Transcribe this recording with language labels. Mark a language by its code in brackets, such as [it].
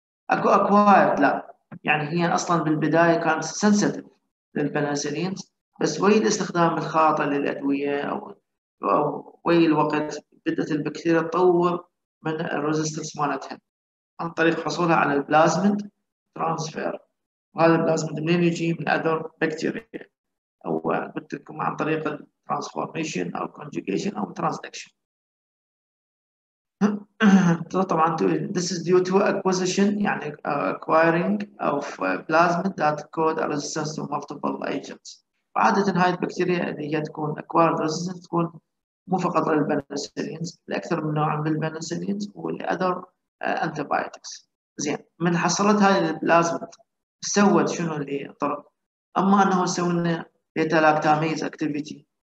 [ar] اكو اكوايرد، لا يعني هي اصلا بالبدايه كانت سنسيتيف للبنسلين، بس ويا الاستخدام الخاطئ للادويه او وي الوقت بدأت البكتيريا تطور من الريزيستنس مالتها عن طريق حصولها على البلازمنت ترانسفير. وهذا البلازمنت منين يجي؟ من اذر بكتيريا، او قلت لكم عن طريق الترانسفورميشن او كونجيجيشن او ترانسدكشن. [en] طبعا this is due to acquisition، يعني acquiring of plasmid that code a resistance to multiple agents. [ar] وعادة هاي البكتيريا اللي هي تكون acquired resistance تكون مو فقط للبنسلينز، لاكثر من نوع من البنسلينز ولاذر انتيبايوتكس. زين، من حصلت هاي البلازمات سوت شنو اللي طرق؟ اما انه سوى لنا بيتا لاكتاميز اكتيفيتي.